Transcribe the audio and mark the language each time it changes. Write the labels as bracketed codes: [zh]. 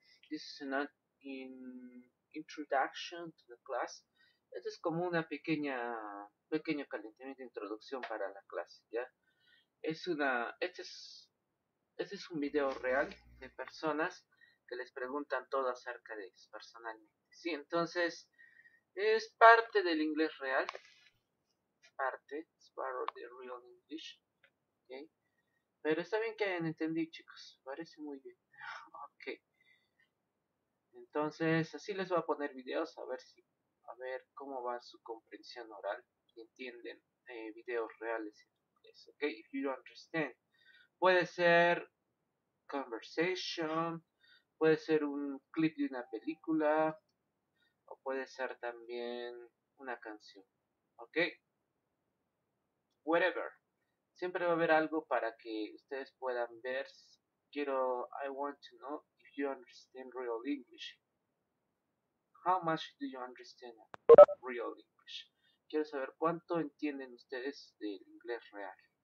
[en] This is not in introduction to the class. [es] Esto es como una pequeño calentamiento de introducción para la clase, ¿ya? Este es un video real de personas que les preguntan todo acerca de ellos personalmente. Sí, entonces es parte del inglés real. [en] Es part of the real English. Okay. [es] Pero está bien que hayan entendido, chicos. Parece muy bien. Okay. Entonces, así les voy a poner videos a ver cómo va su comprensión oral. Si entienden videos reales. Okay, [en] if you don't understand, [es] puede ser conversation, puede ser un clip de una película, o puede ser también una canción. Ok, whatever, siempre va a haber algo para que ustedes puedan ver. [en] I want to know if you understand real English. How much do you understand real English? [es] Quiero saber cuánto entienden ustedes del inglés real.